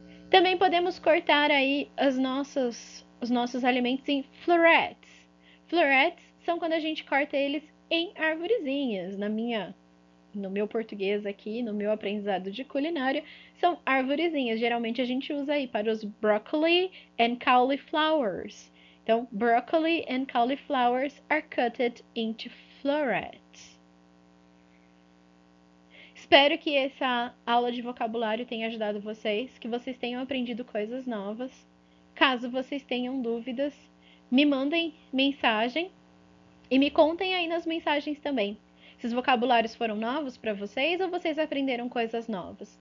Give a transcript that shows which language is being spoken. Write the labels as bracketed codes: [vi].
[pt] Também podemos cortar aí os nossos alimentos em florets. Florets são quando a gente corta eles em arvorezinhas. No meu português aqui, no meu aprendizado de culinária, são arvorezinhas. Geralmente a gente usa aí para os [en] broccoli and cauliflowers. [pt] Então, [en] broccoli and cauliflowers are cutted into florets. [pt] Espero que essa aula de vocabulário tenha ajudado vocês, que vocês tenham aprendido coisas novas. Caso vocês tenham dúvidas, me mandem mensagem e me contem aí nas mensagens também. Se os vocabulários foram novos para vocês ou vocês aprenderam coisas novas?